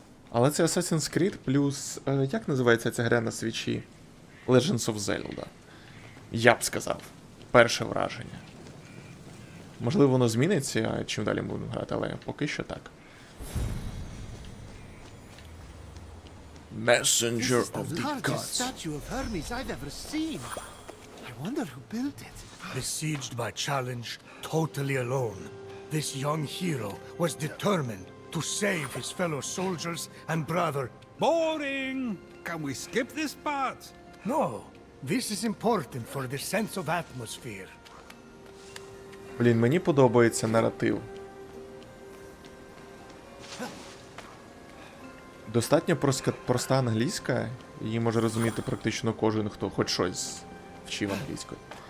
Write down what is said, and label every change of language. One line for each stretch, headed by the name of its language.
Ukrainian: Але це Assassin's Creed плюс... як називається ця гра на свічі? Legends of Zelda. Я б сказав. Перше враження. Можливо, воно зміниться, чим далі ми будемо грати, але поки що так.
English: Messenger of the Gods. This is the largest statue of Hermes I've ever seen. I wonder who built it. Besieged by challenge, totally alone. This young hero was determined to save his fellow soldiers and brother. Boring! Can we skip this part? No. This is important for the sense of atmosphere.
Ukrainian: Блін, мені подобається наратив. Достатньо проста англійська, її може розуміти практично кожен, хто хоч щось вчив англійською.